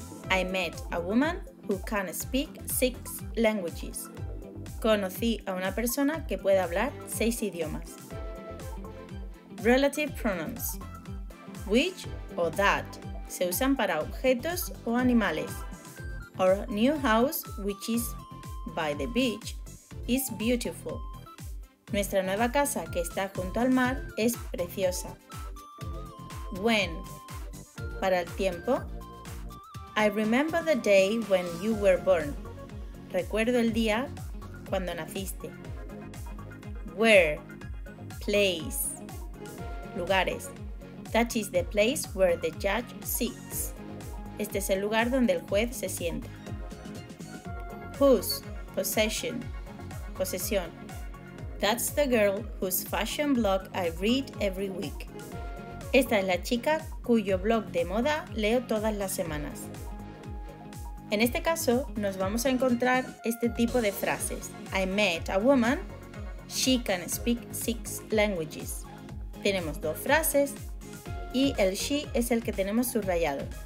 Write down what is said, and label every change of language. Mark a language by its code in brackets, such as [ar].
[en] I met a woman who can speak 6 languages. [es] Conocí a una persona que puede hablar 6 idiomas. [en] Relative pronouns. [es] Which o that se usan para objetos o animales. [en] Our new house, which is by the beach, is beautiful. [es] Nuestra nueva casa, que está junto al mar, es preciosa. When. Para el tiempo. [en] I remember the day when you were born. [es] Recuerdo el día cuando naciste. [en] Where. Place. [es] Lugares. [en] That is the place where the judge sits. [es] Este es el lugar donde el juez se sienta. [en] Whose. Possession. [es] Posesión. [en] That's the girl whose fashion blog I read every week. [es] Esta es la chica cuyo blog de moda leo todas las semanas. En este caso, nos vamos a encontrar este tipo de frases. [en] I met a woman. She can speak 6 languages. [es] Tenemos 2 frases y el she es el que tenemos subrayado.